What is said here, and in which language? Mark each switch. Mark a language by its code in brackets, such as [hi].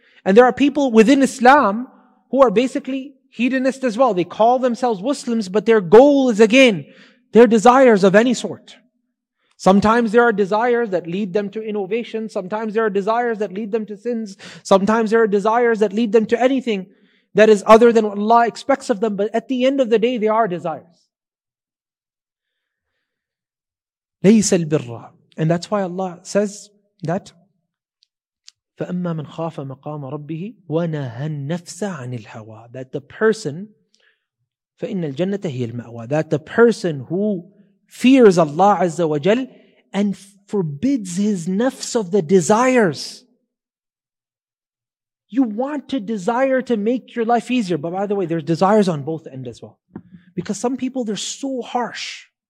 [en] And there are people within Islam who are basically hedonists as well. They call themselves Muslims, but their goal is again, their desires of any sort. Sometimes there are desires that lead them to innovation. Sometimes there are desires that lead them to sins. Sometimes there are desires that lead them to anything that is other than what Allah expects of them. But at the end of the day, they are desires. [ar] لَيْسَ الْبِرَّ. [en] And that's why Allah says that, [ar] فَأَمَّا مَنْ خَافَ مَقَامَ رَبِّهِ وَنَهَى النَّفْسَ عَنِ الْهَوَى. [en] That the person, [ar] فَإِنَّ الْجَنَّةَ هِيَ الْمَأْوَى. [en] That the person who fears Allah Azza wa Jal and forbids his nafs of the desires. You want to desire to make your life easier. But by the way, there's desires on both ends as well. Because some people, they're so harsh.